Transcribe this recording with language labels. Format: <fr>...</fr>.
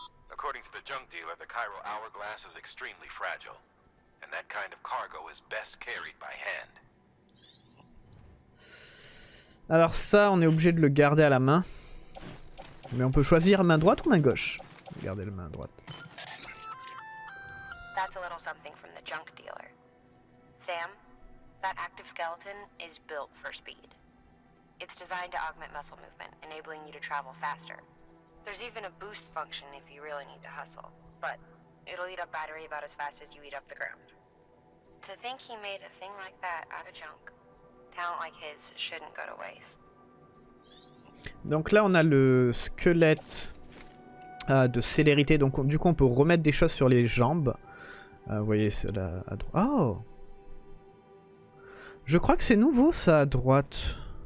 <en>According to the junk dealer, the Cairo hourglass is extremely fragile. And that kind of cargo is best carried by hand.</en> <fr>Alors ça, on est obligé de le garder à la main. Mais on peut choisir main droite ou main gauche. Garder la main droite.</fr> <en>That's a little something from the junk dealer. Sam, that active skeleton is built for speed. It's designed to augment muscle movement, enabling you to travel faster. There's even a boost function if you really need to hustle, but it'll eat up battery about as fast as you eat up the ground. To think he made a thing like that out of junk. Talent like his shouldn't go to waste.</en> <fr>Donc là on a le squelette de célérité, donc du coup on peut remettre des choses sur les jambes. Vous voyez c'est là à droite. Oh, je crois que c'est nouveau ça à droite.</fr>